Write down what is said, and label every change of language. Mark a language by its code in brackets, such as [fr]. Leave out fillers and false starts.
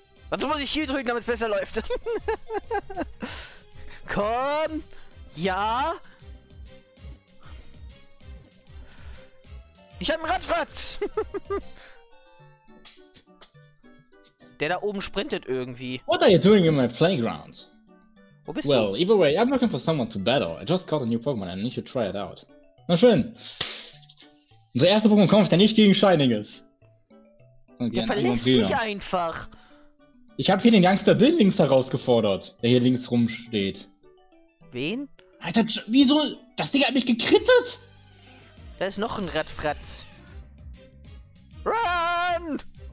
[de] Dazu muss ich hier drücken, damit es besser läuft. Komm! Ja! Ich hab einen Ratschwatz! Der da oben sprintet irgendwie. [en] What are you doing in my playground? [de] Wo bist [en] well, [de] du? [en] Well, either way, I'm looking for someone to battle. I just caught a new Pokémon and I need to try it out. [de] Na schön! Unser erster Pokémon kommt, der nicht gegen Shining ist. Der verlässt dich einfach! Ich hab hier den Youngster Bill links herausgefordert, der hier links rumsteht. Wen? Alter, wieso? Das Ding hat mich gekrittet! Da ist noch ein Radfratz. [en] Run!